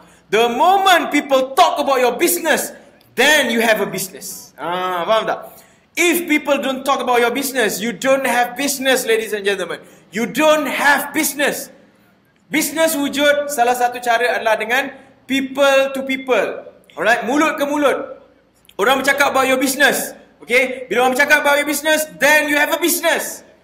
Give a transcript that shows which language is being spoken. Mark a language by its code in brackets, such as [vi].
[en] The moment people talk about your business, then you have a business. [ms] Faham tak? [en] If people don't talk about your business, you don't have business, ladies and gentlemen. You don't have business. [ms] Business wujud, salah satu cara adalah dengan [en] people to people. Alright? [ms] Mulut ke mulut. Orang bercakap [en] about your business. [ms] Okay? Bila orang bercakap [en] about your business, then you have a business.